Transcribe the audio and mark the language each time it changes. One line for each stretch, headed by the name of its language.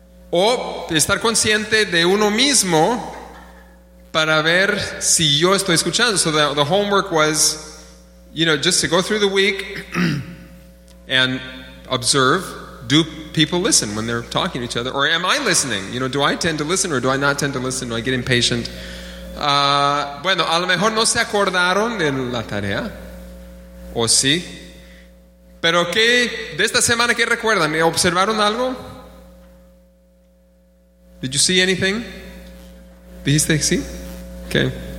Spanish: O estar consciente de uno mismo para ver si yo estoy escuchando.
English: So the homework was, you know, just to go through the week and observe, do people listen when they're talking to each other? Or am I listening? You know, do I tend to listen or do I not tend to listen? Do I get impatient?
Spanish: Bueno, a lo mejor no se acordaron de la tarea. O sí. Pero qué de esta semana, ¿qué recuerdan? ¿Me observaron algo?
English: Did you see anything?
Spanish: ¿Dijiste sí?
English: Okay.